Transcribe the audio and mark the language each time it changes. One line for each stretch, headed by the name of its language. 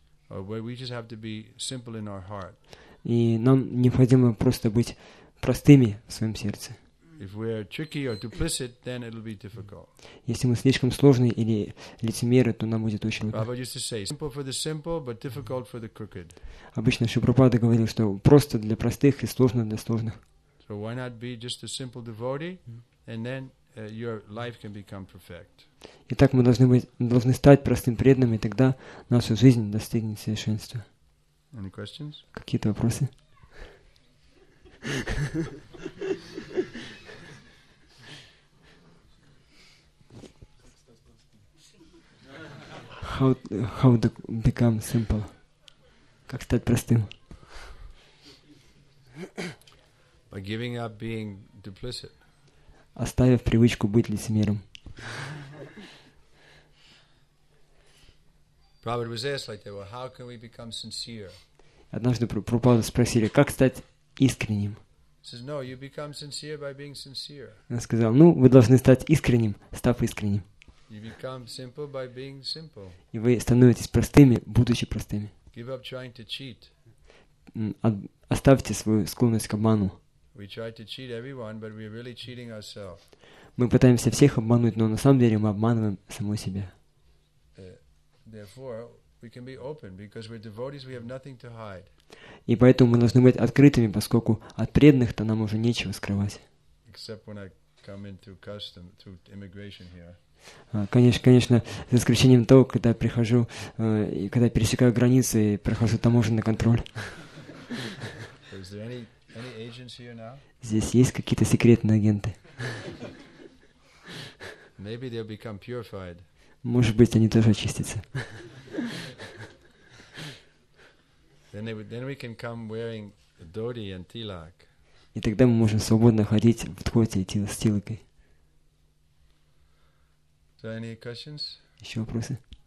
English: Where we just have to be simple in our heart.
Russian: И нам необходимо просто быть простыми в своем сердце.
English: If we're tricky or duplicit, then it'll be difficult.
Russian: Если мы слишком сложные или лицемеры, то нам будет очень трудно.
English: Prabhupada used to say, simple for the simple, but difficult for the crooked.
Russian: Обычно Шри Прабхупада говорил, что просто для простых и сложно для сложных.
English: So why not be just a simple devotee, and then your life can become perfect.
Russian: Итак, мы должны стать простым преданным, и тогда наша жизнь достигнет совершенства.
English: Any questions?
Russian: Какие-то вопросы?
English: How to become simple?
Russian: Как стать простым?
English: By giving up being duplicit.
Russian: Оставив привычку быть лицемером.
English: Prabhupada was asked like that, well, how can we become sincere?
Russian: Однажды Прабхупада спросили, как стать искренним?
English: He says, no, you become sincere by being sincere.
Russian: Он сказал, ну, вы должны стать искренним, став искренним.
English: You become simple by being simple.
Russian: И вы становитесь простыми, будучи простыми.
English: Give up trying to cheat.
Russian: Оставьте свою склонность к обману.
English: We try to cheat everyone, but we're really cheating ourselves.
Russian: Мы пытаемся всех обмануть, но на самом деле мы обманываем самого себя.
English: Therefore, we can be open because we're devotees, we have nothing to hide.
Russian: И поэтому мы должны быть открытыми, поскольку от преданных-то нам уже нечего скрывать.
English: Except when I come in through custom, through immigration here.
Russian: Конечно, за исключением того, когда я прихожу, и когда я пересекаю границы и прохожу таможенный контроль.
English: Is there any agents here now?
Russian: Здесь есть какие-то секретные агенты?
English: Maybe they'll become purified.
Russian: Может быть, они тоже очистятся.
English: Then we can come wearing dhoti and tilak.
Russian: И тогда мы можем свободно ходить в дхоте и с тилакой.
English: So any questions?
Russian: Еще вопросы?